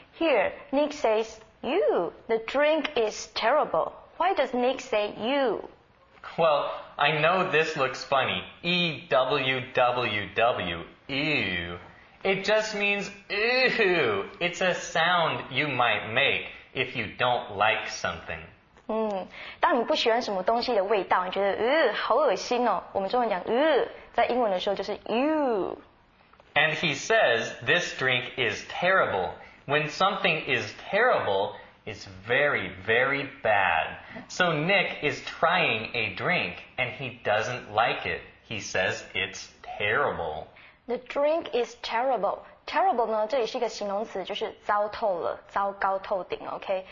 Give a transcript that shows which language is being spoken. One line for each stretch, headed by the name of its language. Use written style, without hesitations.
English: Here, Nick says, ew, the drink is terrible. Why does Nick say ew? Well, I know this looks funny. E-W-W-W, ew. It just means, ew, it's a sound you might make if you don't like something.
Chinese: 当你不喜欢什么东西的味道，你觉得，好恶心哦。我们中文讲，在英文的时候就是 ew.
English: And he says, this drink is terrible. When something is terrible, it's very, very bad. So Nick is trying a drink and he doesn't like it. He says it's terrible. The drink is terrible.
Chinese: Terrible 呢，这里是一个形容词，就是糟透了，糟糕透顶 ，OK?